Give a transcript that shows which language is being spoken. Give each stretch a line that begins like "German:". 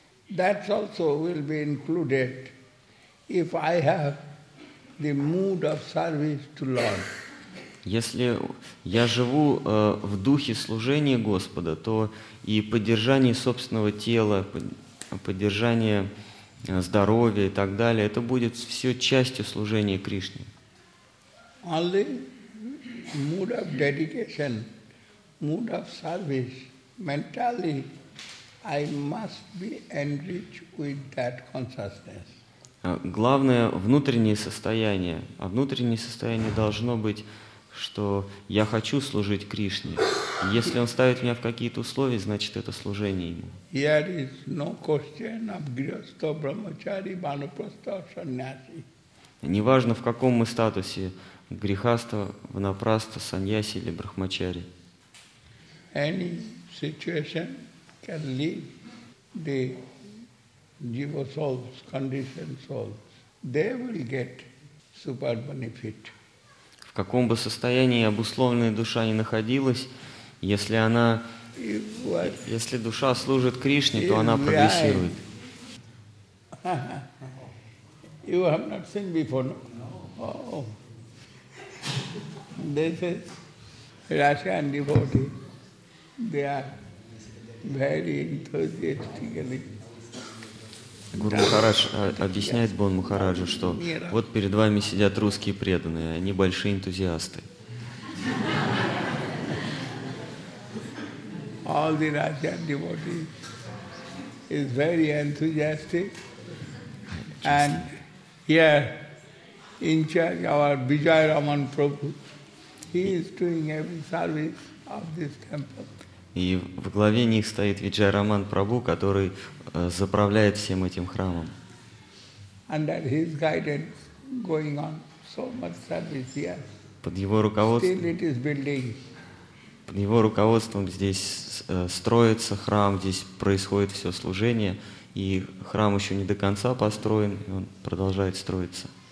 English: That also will be included if I have the mood of service to Lord.
Russian: Если я живу в духе служения Господа, то и поддержание собственного тела, поддержание здоровья и так далее, это будет все частью служения Кришне.
English: Only mood of dedication, mood of service, mentally I must be enriched with that consciousness.
Russian: Главное внутреннее состояние, а внутреннее состояние должно быть, что я хочу служить Кришне. Если Он ставит меня в какие-то условия, значит, это служение Ему.
English: Here is no question of grihastha, brahmachari, vanaprastha, sannyasi.
Russian: Неважно, в каком мы статусе, грихастха, ванапрастха, саньяси или брахмачари.
English: Any situation can lead the jiva souls, conditioned souls. They will get super benefit.
Russian: В каком бы состоянии обусловленная душа ни находилась, если она, если душа служит Кришне, то она прогрессирует.
English: You have not seen before, no? Oh. This is Russian devotee. They are very enthusiastically.
Russian: Гуру Махарадж объясняет Бон Махараджу, что вот перед вами сидят русские преданные, они большие энтузиасты.
English: All the Russian devotees is very enthusiastic. And here in charge our Vijay Raman Prabhu, he is doing every service of this temple.
Russian: И в главе них стоит Виджай Раман Прабху, который заправляет всем этим храмом.
English: Under his guidance going on so much service, yes.
Russian: Под его руководством,
English: still it is building.
Russian: Под его руководством здесь строится храм, здесь происходит все служение, и храм еще не до конца построен, и он продолжает строиться.